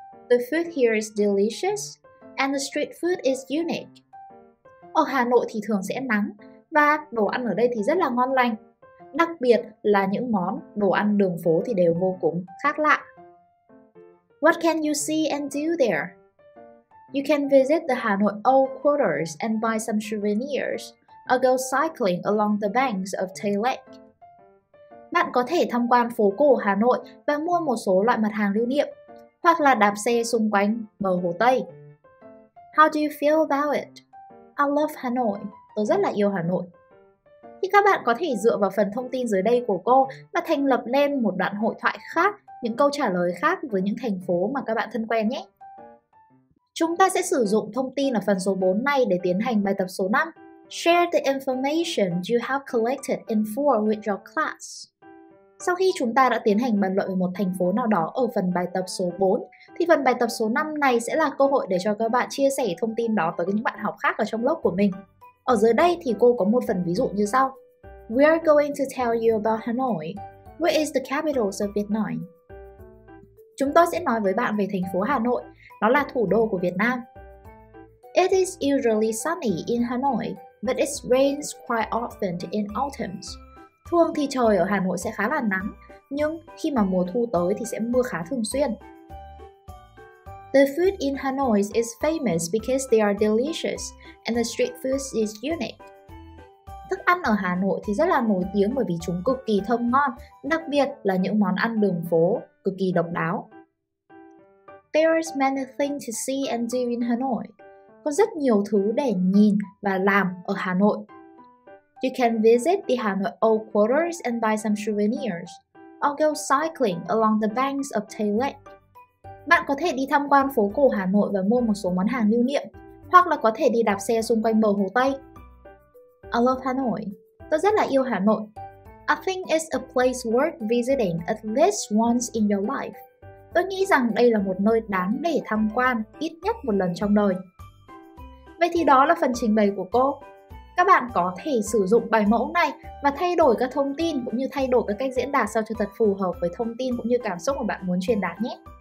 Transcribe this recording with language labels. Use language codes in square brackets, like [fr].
[en] The food here is delicious and the street food is unique. [vi] Ở Hà Nội thì thường sẽ nắng và đồ ăn ở đây thì rất là ngon lành. Đặc biệt là những món đồ ăn đường phố thì đều vô cùng khác lạ. [en] What can you see and do there? You can visit the Hanoi Old Quarters and buy some souvenirs or go cycling along the banks of Tay Lake. [vi] Bạn có thể tham quan phố cổ Hà Nội và mua một số loại mặt hàng lưu niệm, hoặc là đạp xe xung quanh bờ Hồ Tây. [en] How do you feel about it? I love Hanoi. [vi] Tôi rất là yêu Hà Nội. Thì các bạn có thể dựa vào phần thông tin dưới đây của cô và thành lập lên một đoạn hội thoại khác, những câu trả lời khác với những thành phố mà các bạn thân quen nhé. Chúng ta sẽ sử dụng thông tin ở phần số 4 này để tiến hành bài tập số 5. [en] Share the information you have collected in 4 with your class. [vi] Sau khi chúng ta đã tiến hành bàn luận về một thành phố nào đó ở phần bài tập số 4, thì phần bài tập số 5 này sẽ là cơ hội để cho các bạn chia sẻ thông tin đó tới những bạn học khác ở trong lớp của mình. Ở dưới đây thì cô có một phần ví dụ như sau. [en] We are going to tell you about Hanoi. Where is the capital of Vietnam? [vi] Chúng tôi sẽ nói với bạn về thành phố Hà Nội. Nó là thủ đô của Việt Nam. [en] It is usually sunny in Hanoi, but it rains quite often in autumn. [vi] Thường thì trời ở Hà Nội sẽ khá là nắng, nhưng khi mà mùa thu tới thì sẽ mưa khá thường xuyên. [en] The food in Hanoi is famous because they are delicious and the street food is unique. [vi] Thức ăn ở Hà Nội thì rất là nổi tiếng bởi vì chúng cực kỳ thơm ngon, đặc biệt là những món ăn đường phố cực kỳ độc đáo. [en] There is many things to see and do in Hanoi. [vi] Có rất nhiều thứ để nhìn và làm ở Hà Nội. [en] You can visit the Hanoi Old Quarters and buy some souvenirs, or go cycling along the banks of Tay Lake. [vi] Bạn có thể đi tham quan phố cổ Hà Nội và mua một số món hàng lưu niệm, hoặc là có thể đi đạp xe xung quanh bờ Hồ Tây. [en] I love Hanoi. [vi] Tôi rất là yêu Hà Nội. [en] I think it's a place worth visiting at least once in your life. [vi] Tôi nghĩ rằng đây là một nơi đáng để tham quan ít nhất một lần trong đời. Vậy thì đó là phần trình bày của cô. Các bạn có thể sử dụng bài mẫu này và thay đổi các thông tin cũng như thay đổi các cách diễn đạt sao cho thật phù hợp với thông tin cũng như cảm xúc mà bạn muốn truyền đạt nhé.